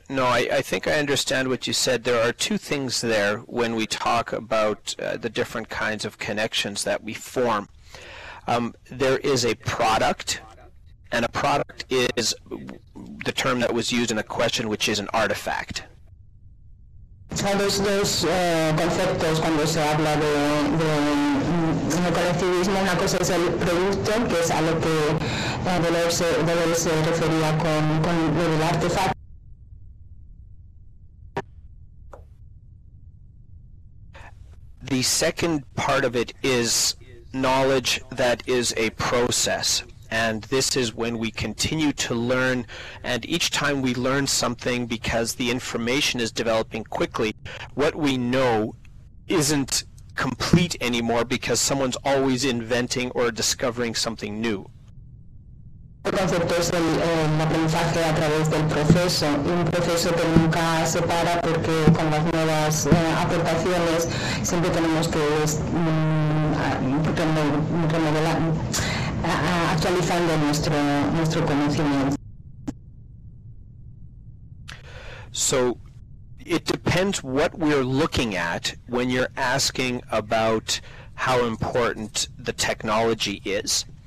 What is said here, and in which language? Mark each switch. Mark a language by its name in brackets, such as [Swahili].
[English] No, I think I understand what you said. There are two things there when we talk about the different kinds of connections that we form. There is a product, and a product is the term that was used in a question, which is an artifact. [Spanish] Dos conceptos cuando se habla de colectivismo, una cosa es el producto, que es a lo que Deleuze se refería con el artefacto. [English] The second part of it is knowledge that is a process. And this is when we continue to learn, and each time we learn something, because the information is developing quickly, what we know isn't complete anymore because someone's always inventing or discovering something new. [Spanish] El concepto es el aprendizaje a través del proceso, un proceso que nunca se para porque con las nuevas aportaciones siempre tenemos que actualizando nuestro conocimiento. [English] So it depends what we're looking at when you're asking about how important the technology is.